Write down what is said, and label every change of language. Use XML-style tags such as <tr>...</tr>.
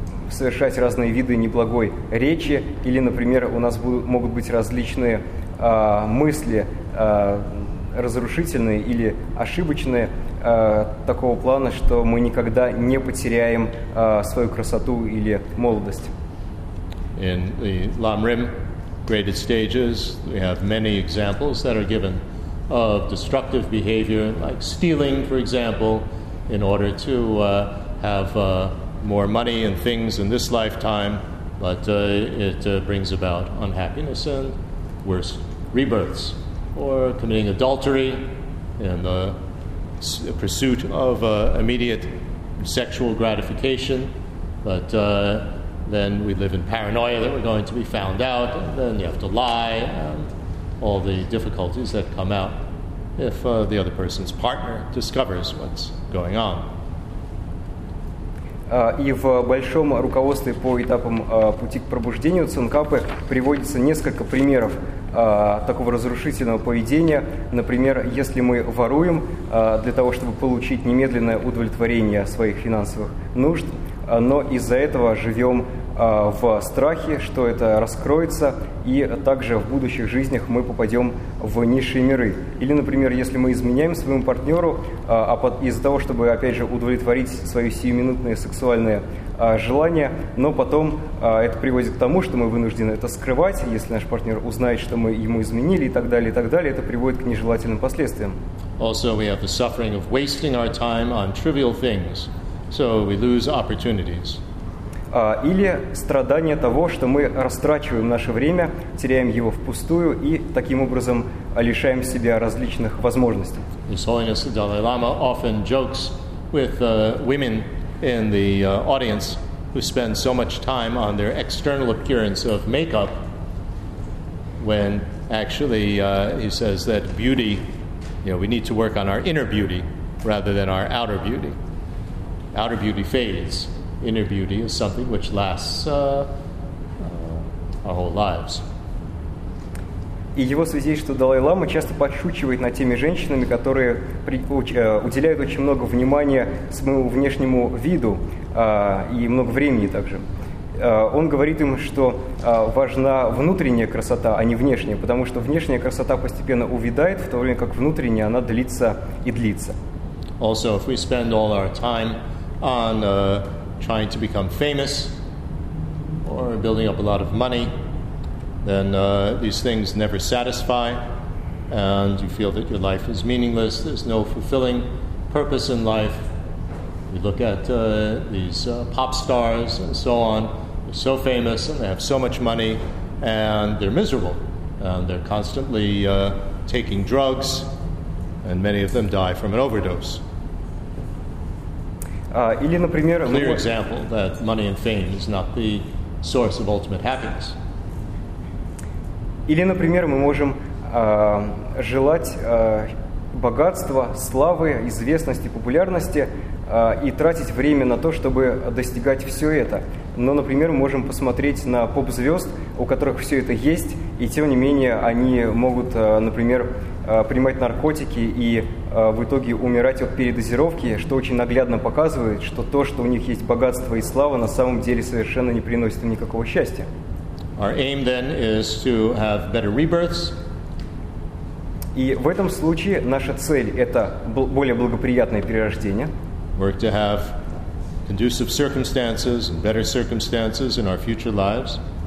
<ru>совершать разные виды неблагой речи, или, например, у нас могут быть различные мысли разрушительные или ошибочные такого плана, что мы никогда не потеряем свою красоту или молодость.</ru> <en>In the Lamrim graded stages, we have many examples that are given of destructive behavior, like stealing, for example, in order to have more money and things in this lifetime, but it brings about unhappiness and worse rebirths. Or committing adultery in the pursuit of immediate sexual gratification, but then we live in paranoia that we're going to be found out, and then you have to lie, and all the difficulties that come out if the other person's partner discovers what's going on.</en> <ru>И в большом руководстве по этапам пути к пробуждению Цинкапы приводится несколько примеров такого разрушительного поведения. Например, если мы воруем для того, чтобы получить немедленное удовлетворение своих финансовых нужд, но из-за этого живем в страхе, что это раскроется, и также в будущих жизнях мы попадем в низшие миры. Или, например, если мы изменяем своему партнеру из-за того, чтобы, опять же, удовлетворить свои сиюминутные сексуальные желания, но потом это приводит к тому, что мы вынуждены это скрывать, если наш партнер узнает, что мы ему изменили, и так далее, это приводит к нежелательным последствиям.</ru> <en>Also, we have the suffering of wasting our time on trivial things, so we lose opportunities.</en> <ru>Или страдание того, что мы растрачиваем наше время, теряем его впустую и таким образом лишаем себя различных возможностей.</ru> <en>His Holiness the Dalai Lama often jokes with women in the audience who spend so much time on their external appearance of makeup, when actually he says that beauty, we need to work on our inner beauty rather than our outer beauty. Outer beauty fades. Inner beauty is something which lasts our whole lives.</en> <ru>И его свидетельство Далай-лама часто подшучивает над теми женщинами, которые уделяют очень много внимания своему внешнему виду и много времени также. Он говорит им, что важна внутренняя красота, а не внешняя, потому что внешняя красота постепенно увядает, в то время как внутренняя она длится и длится.</ru> <en>Also, if we spend all our time on trying to become famous or building up a lot of money, then these things never satisfy, and you feel that your life is meaningless, there's no fulfilling purpose in life. You look at these pop stars and so on, they're so famous and they have so much money, and they're miserable, and they're constantly taking drugs, and many of them die from an overdose.</en> <ru>Или, например,</ru> <en>clear example that money and fame is not the source of ultimate happiness.</en> <ru>Или, например, мы можем желать богатства, славы, известности, популярности и тратить время на то, чтобы достигать все это. Но, например, мы можем посмотреть на поп-звезд, у которых все это есть, и тем не менее они могут, например, принимать наркотики и в итоге умирать от передозировки, что очень наглядно показывает, что то, что у них есть богатство и слава, на самом деле совершенно не приносит им никакого счастья.</ru> <en>Our aim then is to have better rebirths.</en> <ru>И в этом случае наша цель – это более благоприятное перерождение.</ru> <en>Work to have conducive circumstances and better circumstances in our future lives.</en>